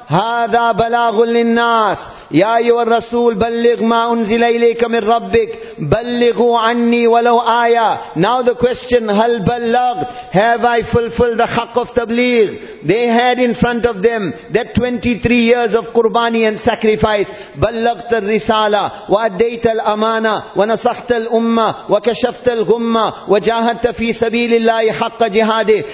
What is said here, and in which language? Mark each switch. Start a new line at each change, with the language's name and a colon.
Arabic: هذا بلاغ للناس يا أيها الرسول بلغ ما أنزل إليك من ربك بلغوا عني ولو آية.
English: Now the question,
Arabic: هل بلغت,
English: have I fulfilled the haqq of tabligh? They had in front of them that 23 years of qurbani and sacrifice.
Arabic: بلغت الرسالة وأديت الأمانة ونصحت الأمة وكشفت الغمة وجاهدت في سبيل الله حق جهاده.